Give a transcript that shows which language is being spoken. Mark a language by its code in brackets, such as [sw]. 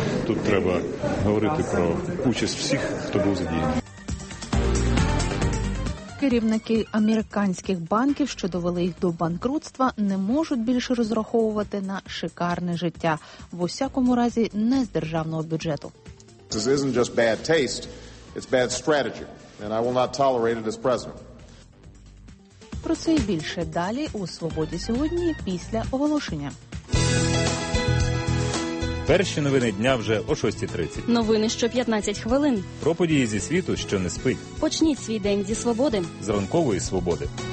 [uk] Тут треба говорити про участь всіх, хто був задіяний. Керівники американських банків, що довели їх до банкрутства, не можуть більше розраховувати на шикарне життя. В усякому разі, не з державного бюджету. [en] This isn't just bad taste, it's bad strategy, and I will not tolerate it as president. [uk] Про це і більше далі у «Свободі сьогодні» після оголошення. Перші новини дня вже о 6:30. Новини що 15 хвилин. Про події зі світу, що не спить. Почніть свій день зі свободи. З ранкової свободи.